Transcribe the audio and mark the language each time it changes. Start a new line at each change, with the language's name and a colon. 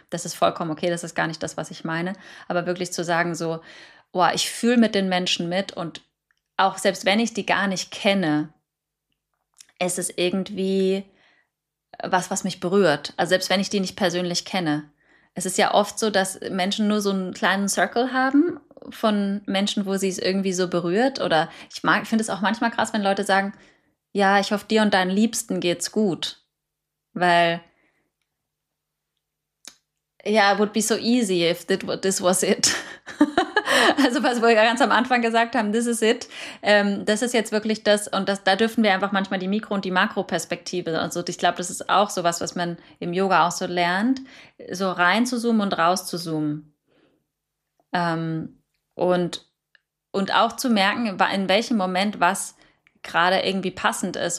German: Das ist vollkommen okay, das ist gar nicht das, was ich meine. Aber wirklich zu sagen so, boah, ich fühle mit den Menschen mit und auch selbst wenn ich die gar nicht kenne, ist es irgendwie was, was mich berührt. Also selbst wenn ich die nicht persönlich kenne. Es ist ja oft so, dass Menschen nur so einen kleinen Circle haben von Menschen, wo sie es irgendwie so berührt. Oder ich finde es auch manchmal krass, wenn Leute sagen, ja, ich hoffe, dir und deinen Liebsten geht's gut. Weil, ja,
English: it would be so easy if this was it.
German: Also was wir ja ganz am Anfang gesagt haben,
English: this is it.
German: Das ist jetzt wirklich das. Und das, da dürfen wir einfach manchmal die Mikro- und die Makroperspektive. Also ich glaube, das ist auch sowas, was man im Yoga auch so lernt, so rein zu zoomen und raus zu zoomen. Und auch zu merken, in welchem Moment was gerade irgendwie passend ist.